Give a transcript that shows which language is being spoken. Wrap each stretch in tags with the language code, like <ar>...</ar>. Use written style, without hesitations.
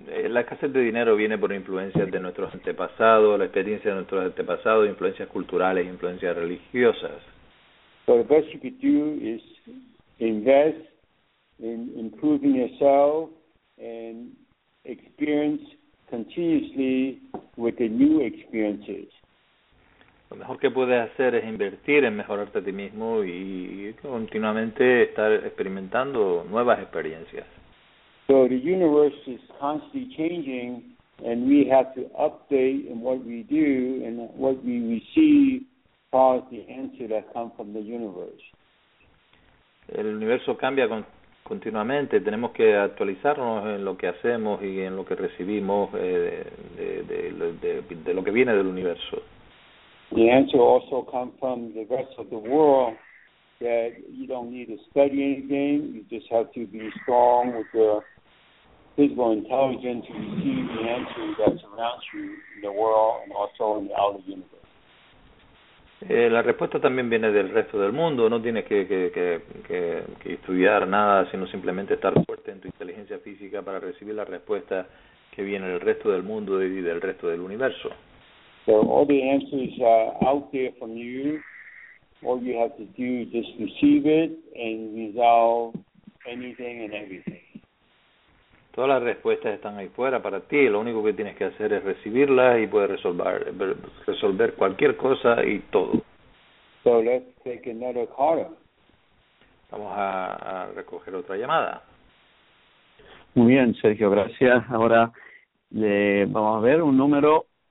<es>La escasez de dinero viene por influencias de nuestros antepasados, la experiencia de nuestros antepasados, influencias culturales, influencias religiosas.</es> <en>So the best you could do is invest in improving yourself and experience continuously with the new experiences.</en> <es>Lo mejor que puedes hacer es invertir en mejorarte a ti mismo y continuamente estar experimentando nuevas experiencias.</es> <en>So the universe is constantly changing and we have to update in what we do and what we receive as the answer that comes from the universe.</en> <es>El universo cambia continuamente, tenemos que actualizarnos en lo que hacemos y en lo que recibimos de lo que viene del universo.</es> <en>The answer also comes from the rest of the world, that you don't need to study anything, you just have to be strong with your physical intelligence to receive the answer that surrounds you in the world and also in the outer universe.</en> <es>La respuesta también viene del resto del mundo. No tienes que estudiar nada, sino simplemente estar fuerte en tu inteligencia física para recibir la respuesta que viene del resto del mundo y del resto del universo.</es> <en>So all the answers are out there from you. All you have to do is just receive it and resolve anything and everything.</en> <es>Todas las respuestas están ahí fuera para ti. Lo único que tienes que hacer es recibirlas y puedes resolver cualquier cosa y todo.</es> <en>So let's take another caller.</en> <es>Vamos a recoger otra llamada. Muy bien, Sergio, gracias. Ahora vamos a ver un número.</es>